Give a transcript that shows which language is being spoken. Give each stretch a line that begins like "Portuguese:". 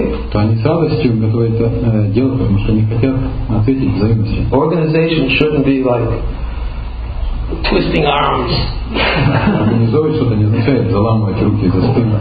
Russian: То они с радостью готовы это делать, потому что они хотят ответить взаимностью.
English: Organization shouldn't be like twisting arms.
Russian: Организовывать что-то не означает заламывать руки за спину.